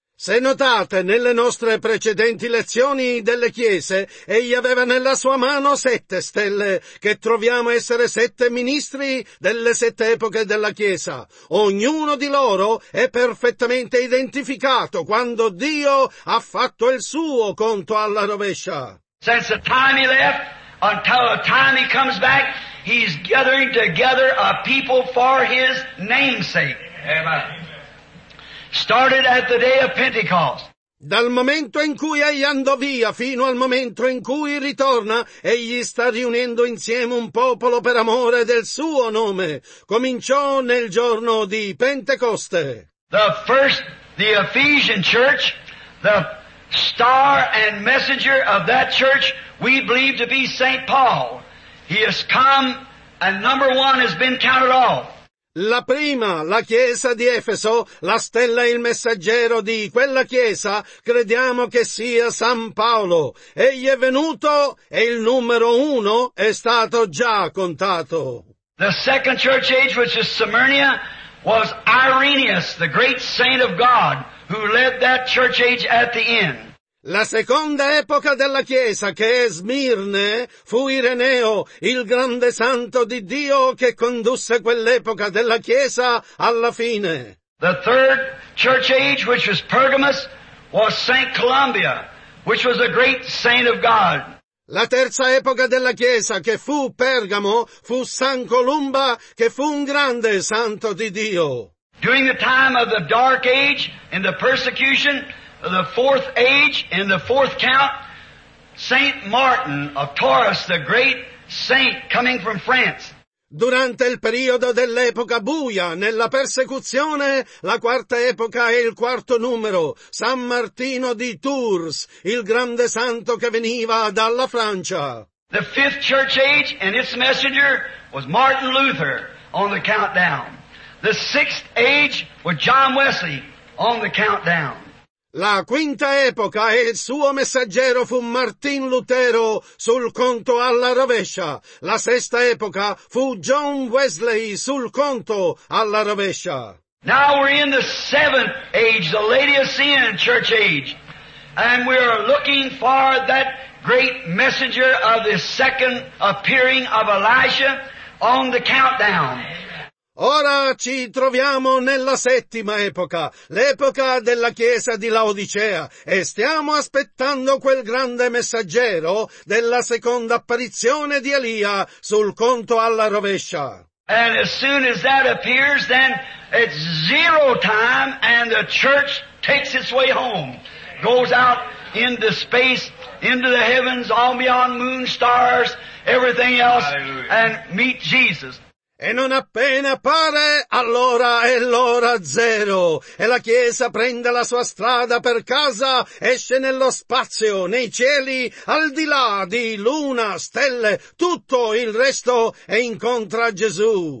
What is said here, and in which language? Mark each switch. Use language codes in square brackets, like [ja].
[it] Se notate, nelle nostre precedenti lezioni delle chiese, egli aveva nella sua mano sette stelle, che troviamo essere sette ministri delle sette epoche della Chiesa. Ognuno di loro è perfettamente identificato quando Dio ha fatto il suo conto alla rovescia. [en] Since the time he left, until the time he comes back, he's gathering together a people for his namesake. Amen. Started at the day of Pentecost. [it] Dal momento in cui egli andò via fino al momento in cui ritorna, egli sta riunendo insieme un popolo per amore del suo nome. Cominciò nel giorno di Pentecoste. [en] The first, the Ephesian church, the star and messenger of that church, we believe to be Saint Paul. He has come and number one has been counted off. [it] La prima, la chiesa di Efeso, la stella e il messaggero di quella chiesa, crediamo che sia San Paolo. Egli è venuto e il numero uno è stato già contato. [en] The second church age, which is Smyrna, was Irenaeus, the great saint of God, who led that church age at the end. [it] La seconda epoca della Chiesa, che è Smirne, fu Ireneo, il grande santo di Dio che condusse quell'epoca della Chiesa alla fine. [en] The third church age, which was Pergamos, was Saint Columba, which was a great saint of God. [it] La terza epoca della Chiesa, che fu Pergamo, fu San Columba, che fu un grande santo di Dio. [en] During the time of the dark age and the persecution, the fourth age, in the fourth count, Saint Martin of Tours, the great saint coming from France. [it] Durante il periodo dell'epoca buia, nella persecuzione, la quarta epoca e il quarto numero, San Martino di Tours, il grande santo che veniva dalla Francia. [en] The fifth church age and its messenger was Martin Luther on the countdown. The sixth age was John Wesley on the countdown. [it] La quinta epoca e il suo messaggero fu Martin Lutero sul conto alla rovescia. La sesta epoca fu John Wesley sul conto alla rovescia. [en] Now we're in the seventh age, the Laodicean church age, and we are looking for that great messenger of the second appearing of Elisha on the countdown. [it] Ora ci troviamo nella settima epoca, l'epoca della Chiesa di Laodicea, e stiamo aspettando quel grande messaggero della seconda apparizione di Elia sul conto alla rovescia. [en] And as soon as that appears, then it's zero time and the church takes its way home. Goes out into space, into the heavens, on beyond moon, stars, everything else, and meet Jesus. [it] E non appena appare, allora è l'ora zero, e la Chiesa prende la sua strada per casa, esce nello spazio, nei cieli, al di là di luna, stelle, tutto il resto, e incontra Gesù.